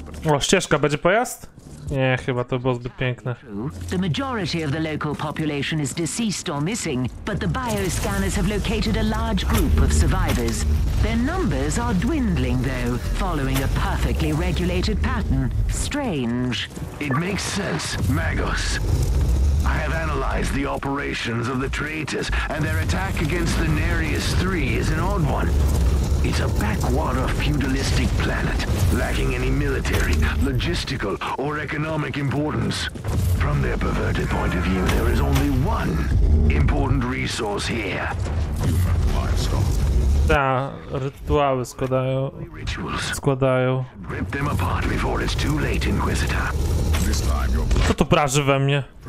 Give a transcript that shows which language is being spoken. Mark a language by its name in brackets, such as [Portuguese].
[Polish] O, ścieżka, będzie pojazd? Nie, chyba to było zbyt piękne. [English] The majority of the local population is deceased or missing, but the bioscanners have located a large group of survivors. Their numbers are dwindling though, following a perfectly regulated pattern. Strange. It makes sense, Magos. I have analyzed the operations of the traitors, and their attack against the Nereus III is an odd one. It's a backwater feudalistic planet, lacking any military, logistical, or economic importance. From their perverted point of view, there is only one important resource here. Human livestock. [Polish] Ta, rytuały składają. [English] Rip them apart before it's too late, Inquisitor. This time your blood. [Polish] Co to praży we mnie?